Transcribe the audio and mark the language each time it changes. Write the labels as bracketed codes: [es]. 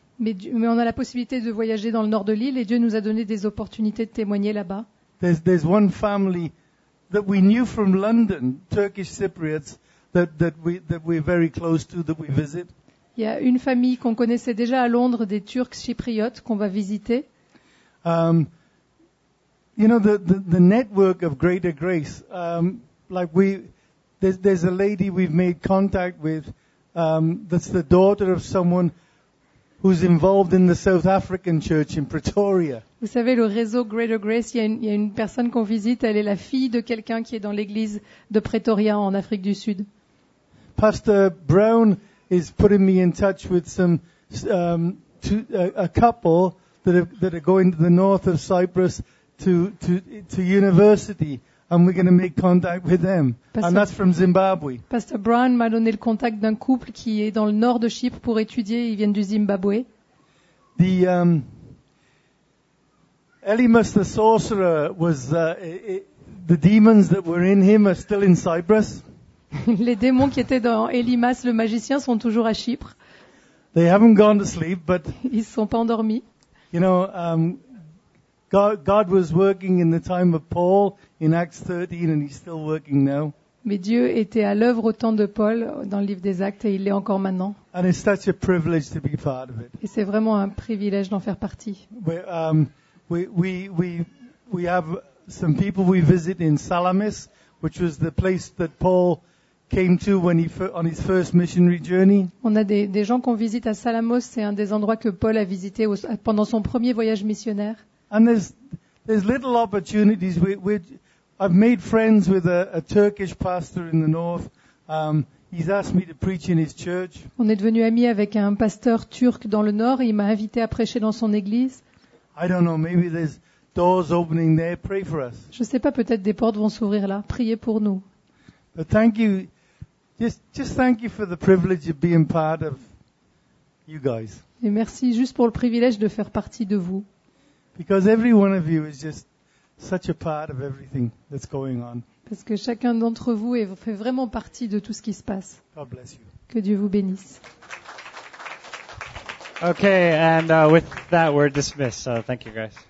[fr] Mais on a la possibilité de voyager dans le nord de l'île, et Dieu nous a donné des opportunités de témoigner là-bas. [en] There's one family that we knew from London, Turkish Cypriots. That we're very close to, that we visit. [fr] Il y a une famille qu'on connaissait déjà à Londres, des Turcs chypriotes qu'on va visiter. [en] You know the network of Greater Grace. Like we, There's a lady we've made contact with that's the daughter of someone who's involved in the South African church in Pretoria. [fr] Vous savez, le réseau Greater Grace, il y a une personne qu'on visite, elle est la fille de quelqu'un qui est dans l'église de Pretoria en Afrique du Sud. [en] Pastor Brown is putting me in touch with a couple that are going to the north of Cyprus to university. And we're going to make contact with them. And that's from Zimbabwe. [fr] Pastor Brown m'a donné le contact d'un couple qui est dans le nord de Chypre pour étudier. Ils viennent du Zimbabwe. [en] The Elymas the sorcerer was the demons that were in him are still in Cyprus. [fr] Les démons qui étaient dans Elymas le magicien sont toujours à Chypre. [en] They haven't gone to sleep, but [fr] ils sont pas endormis. [en] You know, God was working in the time of Paul in Acts 13, and he's still working now. [fr] Mais Dieu était à l'œuvre au temps de Paul dans le livre des Actes, et il l'est encore maintenant. [en] And it's such a privilege to be part of it. [fr] Et c'est vraiment un privilège d'en faire partie. [en] We have some people we visit in Salamis, which was the place that Paul came to when on his first missionary journey. [fr] On a des gens qu'on visite à Salamos, c'est un des endroits que Paul a visité pendant son premier voyage missionnaire. [en] And there's little opportunities. I've made friends with a Turkish pastor in the north. He's asked me to preach in his church. [fr] On est devenu amis avec un pasteur turc dans le nord. Il m'a invité à prêcher dans son église. [en] I don't know. Maybe there's doors opening there. Pray for us. [fr] Je sais pas. Peut-être des portes vont s'ouvrir là. Priez pour nous. [en] But thank you. Just thank you for the privilege of being part of you guys. [fr] Et merci juste pour le privilège de faire partie de vous. [en] Because every one of you is just such a part of everything that's going on. [fr] Parce que chacun d'entre vous fait vraiment partie de tout ce qui se passe. [en] God bless you. [fr] Que Dieu vous bénisse. [en] Okay, and with that we're dismissed. So thank you guys.